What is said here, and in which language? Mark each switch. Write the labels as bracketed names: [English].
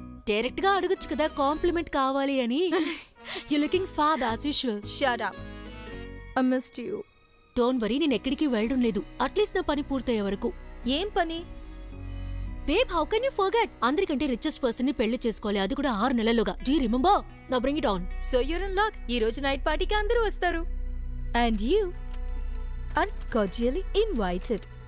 [Telugu] Direct గా అడగొచ్చు కదా కాంప్లిమెంట్ కావాలి అని. [English] You looking fab as usual. Shut up, I missed you. Don't worry, [Telugu] నేను ఎక్కడికి వెళ్ళడం లేదు, అట్లీస్ట్ నా పని పూర్తయ్యే వరకు. ఏం పని? [English] Babe, how can you forget? [Telugu] అందరికంటే రిచెస్ట్ పర్సన్ ని పెళ్లి చేసుకోవాలి, అది కూడా 6 నెలలుగా. [English] Do you remember? Now bring it on. So you're in luck. [Telugu] ఈ రోజు నైట్ పార్టీకి అందరూ వస్తారు. [English] And you are cordially invited.